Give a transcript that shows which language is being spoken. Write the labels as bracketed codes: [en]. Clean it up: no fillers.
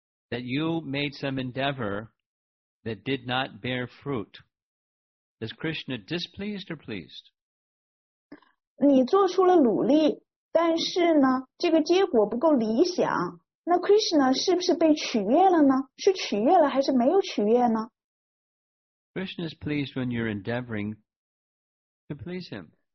[en] That you made some endeavor that did not bear fruit. Is Krishna displeased or pleased? [zh] 你做出了努力，但是呢，这个结果不够理想。那 Krishna 是不是被取悦了呢？是取悦了还是没有取悦呢？ [en] Krishna is pleased when you're endeavoring to please him.